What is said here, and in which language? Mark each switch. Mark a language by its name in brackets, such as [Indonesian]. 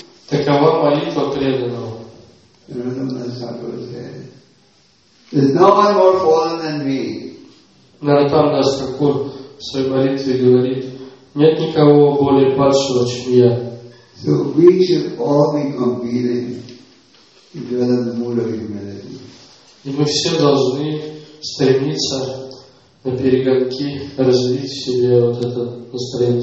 [Russian] Такова молитва преданного. [English] There's no one more fallen than me. [Russian] Наратам Дас Такур в своей молитве говорит, нет никого более падшего, чем я. [English] So we should all be competing to develop the mood of humility. [Russian] И мы все должны стремиться на перегонки развить в себе вот это настроение